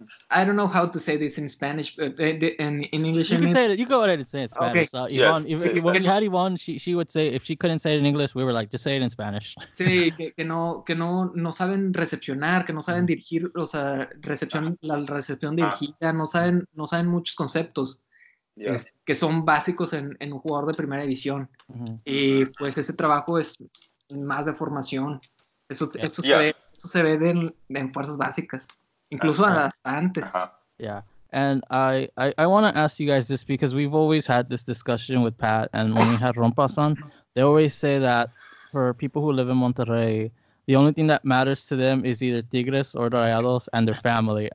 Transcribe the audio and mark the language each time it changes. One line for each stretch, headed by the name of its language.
English: I don't know how to say this in Spanish, but in English. You can say it. You go ahead and say it in Spanish. Okay. So Yvonne, she would say, if she couldn't say it in English, we were like, just say it in Spanish.
Spanish: Sí, que no saben recepcionar, que no saben dirigir, o sea, la recepción dirigida, no saben muchos conceptos que son básicos en un jugador de primera división. Mm-hmm. Y pues ese trabajo es más de formación.
English: Yeah, and I want to ask you guys this, because we've always had this discussion with Pat, and when we had Rompasan, they always say that for people who live in Monterrey, the only thing that matters to them is either Tigres or Rayados and their family.